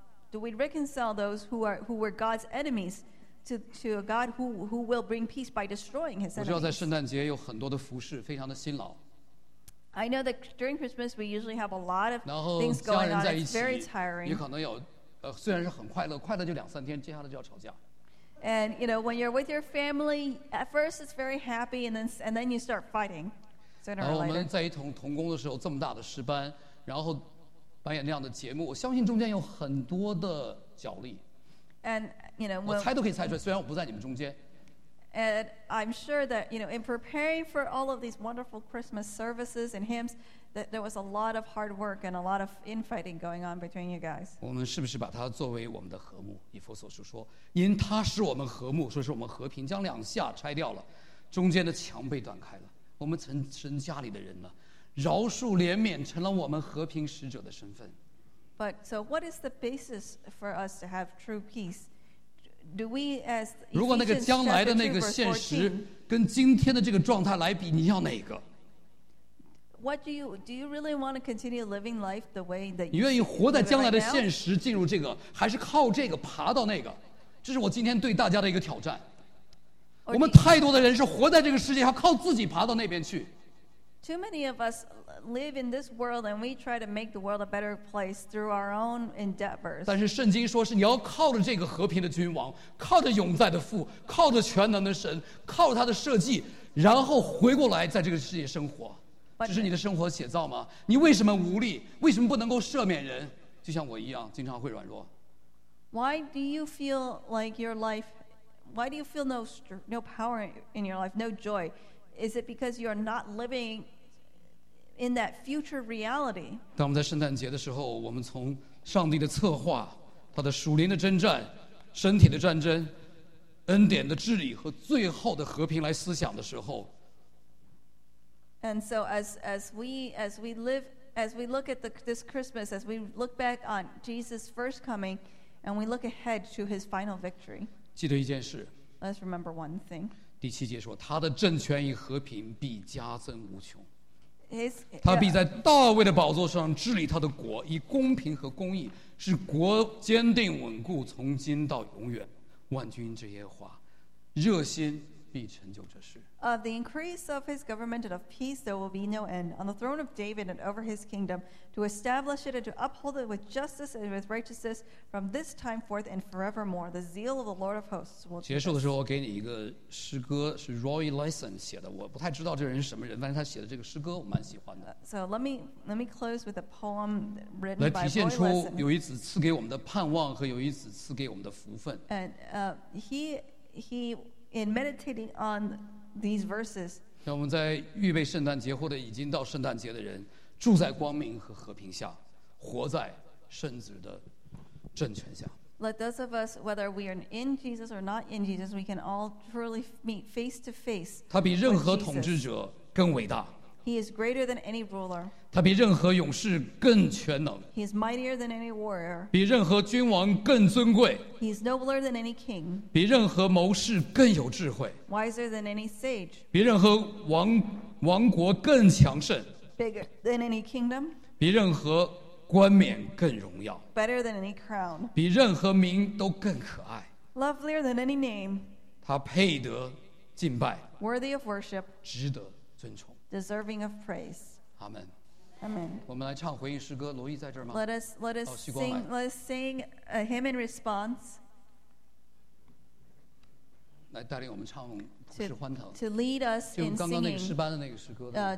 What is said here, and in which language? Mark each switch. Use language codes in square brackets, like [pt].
[en] Do we reconcile those who were God's enemies to a God who will bring peace by destroying His enemies? [zh] 我知道在圣诞节有很多的服事，非常的辛劳。 [en] I know that during Christmas we usually have a lot of things going on. It's very tiring. [zh] 也可能有，虽然是很快乐，快乐就两三天，接下来就要吵架。 [en] And you know when you're with your family, at first it's very happy, and then you start fighting. [zh] 然后我们在一同同工的时候，这么大的诗班，然后扮演那样的节目，我相信中间有很多的角力。 [en] And you know, [zh] 我猜都可以猜出来，虽然我不在你们中间。 [en] And I'm sure that you know, in preparing for all of these wonderful Christmas services and hymns, that there was a lot of hard work and a lot of infighting going on between you guys. [zh] 我们是不是把它作为我们的和睦？以弗所书说，因他使我们和睦，所以说我们和平将两下拆掉了，中间的墙被断开了。我们曾称家里的人呢，饶恕怜悯成了我们和平使者的身份。 [en] But so, what is the basis for us to have true peace? Do we as Ephesians [zh] 如果那个将来的那个现实跟今天的这个状态来比，你要哪个？ [en] What do you really want to continue living life the way that you [zh] 愿意活在将来的现实进入这个还是靠这个爬到那个这是我今天对大家的一个挑战我们太多的人是活在这个世界要靠自己爬到那边去 [en] Too many of us live in this world and we try to make the world a better place through our own endeavors [zh] 但是圣经说是你要靠着这个和平的君王靠着永在的父靠着全能的神靠着他的设计然后回过来在这个世界生活这是你的生活写照吗？你为什么无力？为什么不能够赦免人？就像我一样，经常会软弱。 [en] Why do you feel like your life? Why do you feel no power in your life, no joy? Is it because you are not living in that future reality? [zh] 当我们在圣诞节的时候，我们从上帝的策划、他的属灵的征战、身体的战争、恩典的治理和最后的和平来思想的时候。 [en] And so as we look at this Christmas, as we look back on Jesus' first coming, and we look ahead to his final victory, [zh] 记得一件事, [en] let's remember one thing. [zh] 第七节说, 他的政权与和平必加增无穷。 [en] His, [zh] 他必在大卫的宝座上治理他的国, 以公平和公义, 使国坚定稳固, 从今到永远。万军之耶和华, 热心。 [en] Of the increase of his government and of peace there will be no end on the throne of David and over his kingdom to establish it and to uphold it with justice and with righteousness from this time forth and forevermore the zeal of the Lord of hosts will be [zh] 结束的时候我给你一个诗歌是 Roy Lyson 写的我不太知道这人是什么人但是他写的这个诗歌我蛮喜欢的 [en] So let me close with a poem written by Roy Lyson [zh] 来体现出有一子赐给我们的盼望和有一子赐给我们的福分 [en] And he In meditating on these verses, [zh] 让我们在预备圣诞节或者已经到圣诞节的人，住在光明和和平下，活在圣子的政权下。 [en] Let those of us, whether we are in Jesus or not in Jesus, we can all truly meet face to face. [zh] 他比任何统治者更伟大。 [en] He is greater than any ruler. [zh] 他比任何勇士更全能。 [en] He is mightier than any warrior. [zh] 比任何君王更尊贵。 [en] He is nobler than any king. [zh] 比任何谋士更有智慧。 [en] Wiser than any sage. [zh] 比任何王国更强盛。 [en] Bigger than any kingdom. [zh] 比任何冠冕更荣耀。 [en] Better than any crown. [zh] 比任何名都更可爱。 [en] Lovelier than any name. [zh] 他配得敬拜。 [en] Worthy of worship. [zh] 值得尊崇。 [en] Deserving of praise. Amen. Amen. [zh] 我们来唱回应诗歌。罗伊在这儿吗？ [en] Let us sing a hymn in response. [zh] 来带领我们唱不是欢腾。 [en] To lead us in singing. [zh] 就刚刚那个诗班的那个诗歌的。